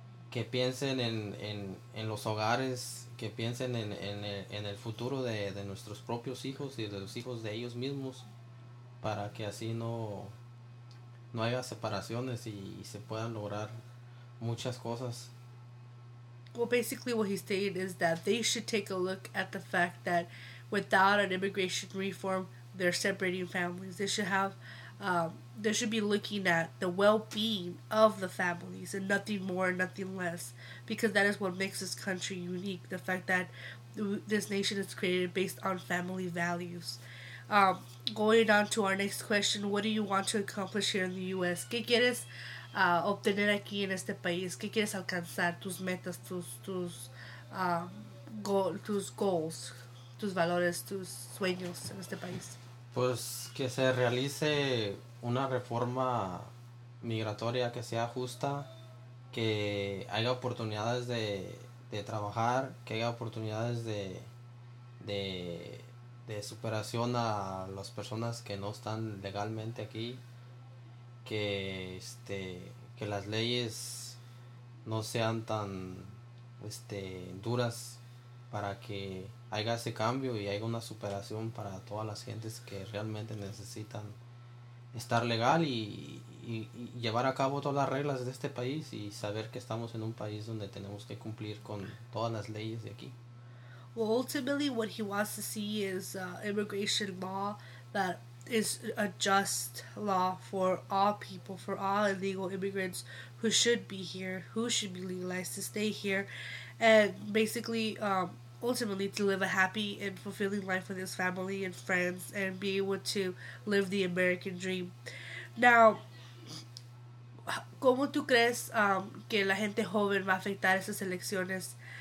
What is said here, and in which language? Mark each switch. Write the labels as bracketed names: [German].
[Spanish] que piensen en los hogares, que piensen en el futuro de nuestros propios hijos y de los hijos de ellos mismos, para que así no haya separaciones y se puedan lograr muchas cosas. [English] Well, basically what he's saying is that they should take a look at the fact that without an immigration reform, they're separating families. They should have, they should be looking at the well-being of the families and nothing more, nothing less, because that is what makes this country unique, the fact that this nation is created based on family values. Going on to our next question, what do you want to accomplish here in the U.S.? [Spanish] ¿Qué quieres obtener aquí en este país? ¿Qué quieres alcanzar? ¿Tus metas, tus goals, tus valores, tus sueños en este país? Pues que se realice una reforma migratoria que sea justa, que haya oportunidades de trabajar, que haya oportunidades de superación a las personas que no están legalmente aquí, que que las leyes no sean tan duras, para que haya ese cambio y haya una superación para todas las gentes que realmente necesitan estar legal y llevar a cabo todas las reglas de este país y saber que estamos en un país donde tenemos que cumplir con todas las leyes de aquí. [English] Well, ultimately what he wants to see is immigration law that is a just law for all people, for all illegal immigrants who should be here, who should be legalized to stay here, and basically ultimately to live a happy and fulfilling life with his family and friends and be able to live the American dream. [Spanish] Now, ¿cómo tú crees que la gente joven va a afectar esas elecciones?